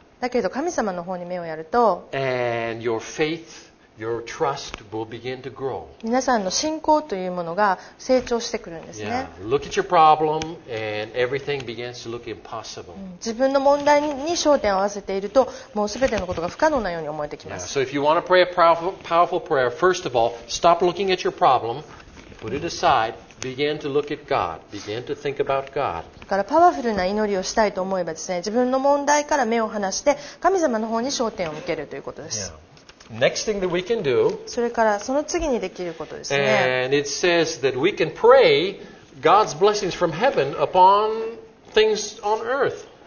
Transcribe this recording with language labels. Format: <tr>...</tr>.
<ja>だけど神様の方に目をやると</ja> <en>and your faith, your trust will begin to grow.</en> <ja>皆さんの信仰というものが成長してくるんですね。</ja> <en>Yeah. Look at your problem and everything begins to look impossible.</en> <ja>自分の問題に焦点を合わせているともうすべてのことが不可能なように思えてきます。</ja> <en>Yeah. So if you want to pray a powerful prayer, first of all, stop looking at your problem, put it aside. Begin to look at God. Begin to think about God.</en> <ja>だからパワフルな祈りをしたいと思えばですね、自分の問題から目を離して神様の方に焦点を向けるということです。</ja> <en>Yeah. Next thing that we can do.</en> <ja>それからその次にできることですね。</ja> <en>And it says that we can pray God's blessings from heaven upon things on earth.</en>